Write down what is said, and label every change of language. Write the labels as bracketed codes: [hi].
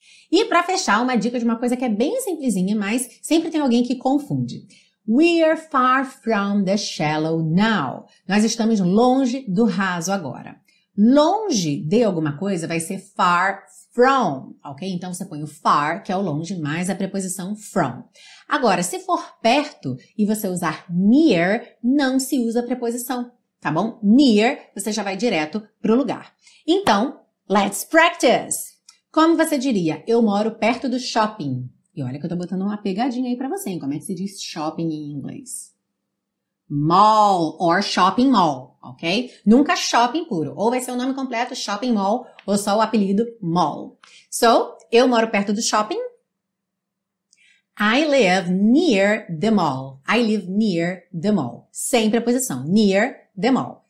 [pt] E para fechar, uma dica de uma coisa que é bem simplesinha, mas sempre tem alguém que confunde. [en] We are far from the shallow now. [pt] Nós estamos longe do raso agora. Longe de alguma coisa vai ser far from, ok? Então você põe o far, que é o longe, mais a preposição from. Agora, se for perto e você usar near, não se usa a preposição, tá bom? Near, você já vai direto pro lugar. Então, [en] let's practice! [pt] Como você diria, eu moro perto do shopping? E olha que eu tô botando uma pegadinha aí pra você, hein? Como é que se diz shopping em inglês? [en] Mall or shopping mall, ok? [pt] Nunca shopping puro. Ou vai ser o nome completo, shopping mall, ou só o apelido mall. [en] So, [pt] eu moro perto do shopping. [en] I live near the mall. I live near the mall. [pt] Sem preposição, [en] near the mall.